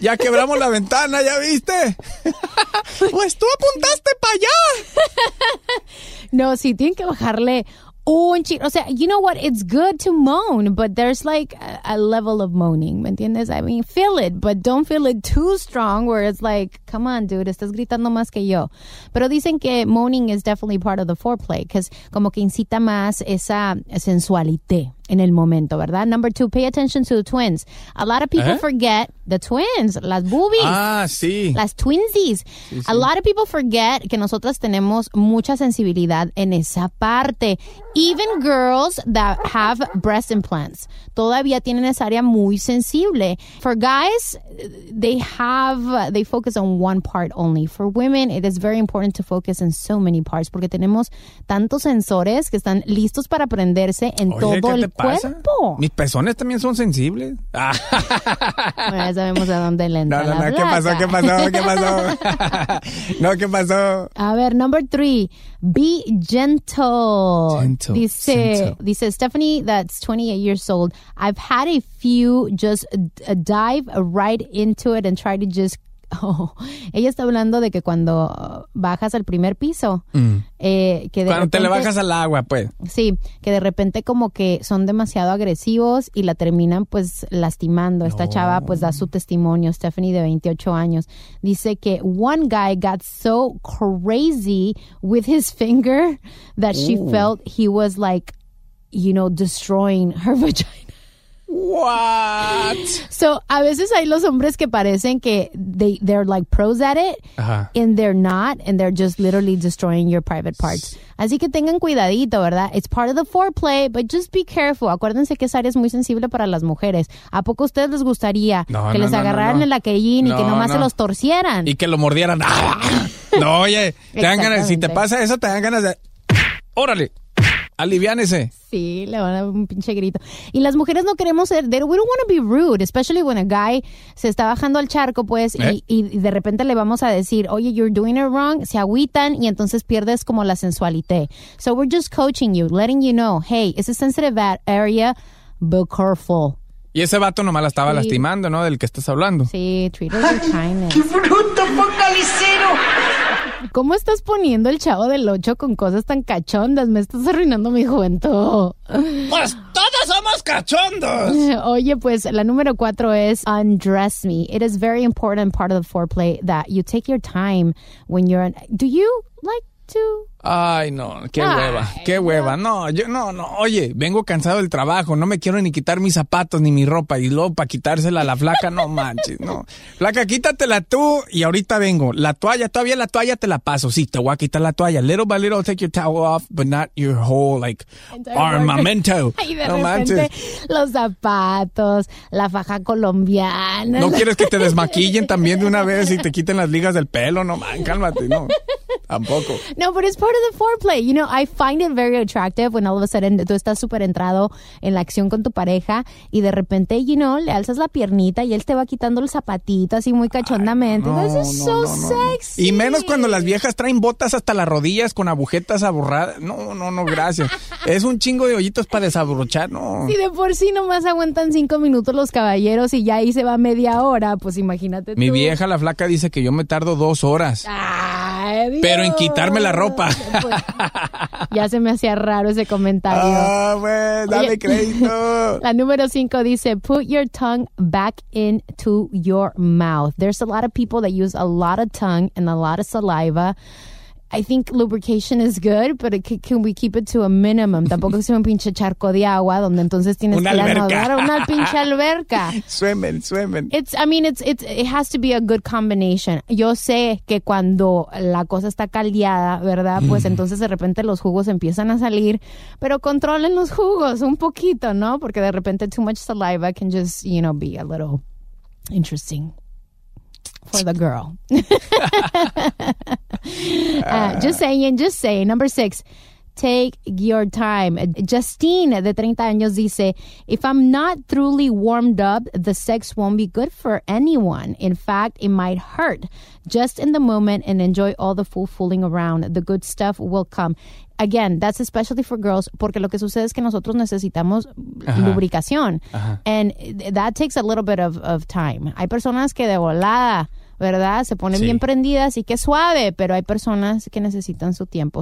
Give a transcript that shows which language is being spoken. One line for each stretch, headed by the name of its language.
Spanish: Ya quebramos la ventana, ¿ya viste? Pues tú apuntaste para allá. No, sí, tienen que bajarle... O sea,
English: you know what? It's good to moan, but there's like a level of moaning,
Spanish: ¿me entiendes?
English: I mean, feel it, but don't feel it too strong where it's like, come on, dude,
Spanish: estás gritando más que yo. Pero dicen que
English: moaning is definitely part of the foreplay because
Spanish: como que incita más esa sensualité en el momento, ¿verdad?
English: Number two, pay attention to the twins. A lot of people forget the twins,
Spanish: las boobies. Ah, sí. Las twinsies. Sí, sí.
English: A lot of people forget
Spanish: que nosotras tenemos mucha sensibilidad en esa parte.
English: Even girls that have breast implants
Spanish: todavía tienen esa área muy sensible.
English: For guys, they focus on one part only. For women, it is very important to focus in so many parts
Spanish: porque tenemos tantos sensores que están listos para prenderse en todo el cuerpo. Mis pezones también son sensibles. Bueno, ya sabemos a dónde le entra. No, no, no. ¿Qué pasó? ¿Qué pasó? ¿Qué pasó? No, ¿qué pasó? A ver,
English: number three, be gentle. Gentle. Dice Stephanie, that's 28 years old. I've had a few just dive right into it and try to just...
Spanish: ella está hablando de que cuando bajas al primer piso... que de cuando repente, te le bajas al agua, pues. Sí, que de repente como que son demasiado agresivos y la terminan pues lastimando. No. Esta chava pues da su testimonio, Stephanie de 28 años. Dice que
English: one guy got so crazy with his finger that she felt he was like, you know, destroying her vagina. What? So,
Spanish: a veces hay los hombres que parecen que
English: they're like pros at it, and they're not, and they're just literally destroying your private parts.
Spanish: Así que tengan cuidadito, ¿verdad?
English: It's part of the foreplay, but just be careful.
Spanish: Acuérdense que esa área es muy sensible para las mujeres. ¿A poco a ustedes les gustaría que les agarraran el aquellín y que nomás se los torcieran? Y que lo mordieran. No, oye, te dan ganas, si te pasa eso, te dan ganas de... ¡Órale! Aliviánese. Sí, le van a dar un pinche grito. Y las mujeres no queremos ser...
English: We don't want to be rude, especially when a guy
Spanish: se está bajando al charco, pues, y de repente le vamos a decir, oye,
English: you're doing it wrong,
Spanish: se agüitan, y entonces pierdes como la sensualité.
English: So we're just coaching you, letting you know, hey, it's a sensitive area, be careful.
Spanish: Y ese vato nomás la estaba lastimando, ¿no? Del que estás hablando.
English: Sí, treat her with kindness.
Spanish: ¡Qué bruto focalicero! ¿Cómo estás poniendo el Chavo del Ocho con cosas tan cachondas? Me estás arruinando mi juventud. ¡Pues todos somos cachondos! Oye, pues la número cuatro es
English: undress me. It is very important part of the foreplay that you take your time when you're... Do you like to...
Spanish: Ay, no, qué hueva, qué hueva. No, yo no, no. Oye, vengo cansado del trabajo. No me quiero ni quitar mis zapatos ni mi ropa. Y luego para quitársela a la flaca, no manches, no. Flaca, quítatela tú y ahorita vengo. La toalla, todavía la toalla te la paso. Sí, te voy a quitar la toalla.
English: Little by little, take your towel off, but not your whole, like, armamento.
Spanish: Ay, no manches. Los zapatos, la faja colombiana. ¿No quieres que te desmaquillen también de una vez y te quiten las ligas del pelo? No, man, cálmate, no. Tampoco. No, pero es
English: part of the foreplay. You know, I find it very attractive when all of a sudden
Spanish: tú estás súper entrado en la acción con tu pareja y de repente,
English: you know,
Spanish: le alzas la piernita y él te va quitando el zapatito así muy cachondamente. Ay, no,
English: that's just no, sexy.
Spanish: Y menos cuando las viejas traen botas hasta las rodillas con agujetas aburradas. No, no, no, gracias. Es un chingo de hoyitos para desabrochar, no. Y de por sí nomás aguantan 5 minutos los caballeros y ya ahí se va media hora, pues imagínate tú. Mi vieja, la flaca, dice que yo me tardo 2 horas. ¡Ah! Adiós. Pero en quitarme la ropa. Pues, ya se me hacía raro ese comentario. Ah, pues, dale. Oye, crédito. La número 5 dice,
English: put your tongue back into your mouth. There's a lot of people that use a lot of tongue and a lot of saliva. I think lubrication is good, but can we keep it to a minimum?
Spanish: Tampoco sea un pinche charco de agua donde entonces tienes que nadar a una pinche alberca.
English: Swimming. It has to be a good combination.
Spanish: Yo sé que cuando la cosa está caldeada, ¿verdad? Pues entonces de repente los jugos empiezan a salir, pero controlen los jugos un poquito, ¿no? Porque de repente
English: too much saliva can just, you know, be a little interesting. For the girl. Just saying. Number 6. Take your time. Justine,
Spanish: de 30 años, dice,
English: if I'm not truly warmed up, the sex won't be good for anyone. In fact, it might hurt. Just in the moment and enjoy all the fooling around. The good stuff will come. Again, that's especially for girls,
Spanish: porque lo que sucede es que nosotros necesitamos lubricación.
English: And that takes a little bit of time.
Spanish: Hay personas que de volada, ¿verdad? Se ponen bien prendidas y qué suave, pero hay personas que necesitan su tiempo.